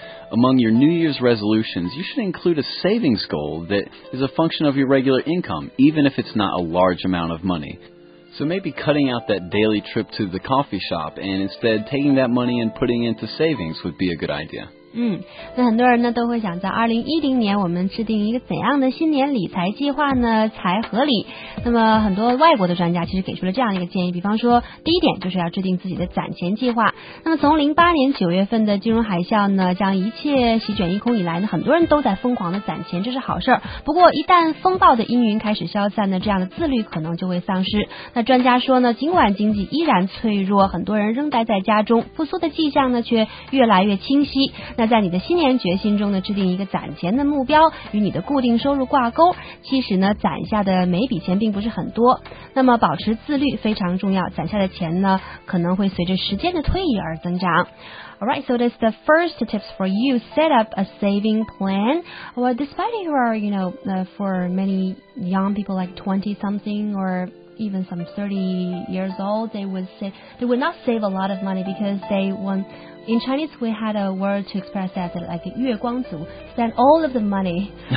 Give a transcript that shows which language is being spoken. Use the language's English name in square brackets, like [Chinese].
[English] Among your New Year's resolutions, you should include a savings goal that is a function of your regular income, even if it's not a large amount of money. So maybe cutting out that daily trip to the coffee shop and instead taking that money and putting into savings would be a good idea. [Chinese] 那很多人呢都会想在2010年我们制定一个怎样的新年理财计划呢才合理。那么很多外国的专家其实给出了这样一个建议，比方说第一点就是要制定自己的攒钱计划。那么从08年9月份的金融海啸呢将一切席卷一空以来呢，很多人都在疯狂的攒钱，这是好事。不过一旦风暴的阴云开始消散呢，这样的自律可能就会丧失。那专家说呢，尽管经济依然脆弱，很多人仍待在家中，复苏的迹象呢却越来越清晰。那在你的新年决心中呢，制定一个攒钱的目标，与你的固定收入挂钩。其实呢，攒下的每笔钱并不是很多，那么保持自律非常重要。攒下的钱呢，可能会随着时间的推移而增长。 [English] Alright, so that's the first tips for you. Set up a saving plan. Well, despite you are, you know, for many young people like 20-something or even some 30 years old, they would not save a lot of money because they want... In Chinese, we had a word to express that, like, 月光族, spend all of the money.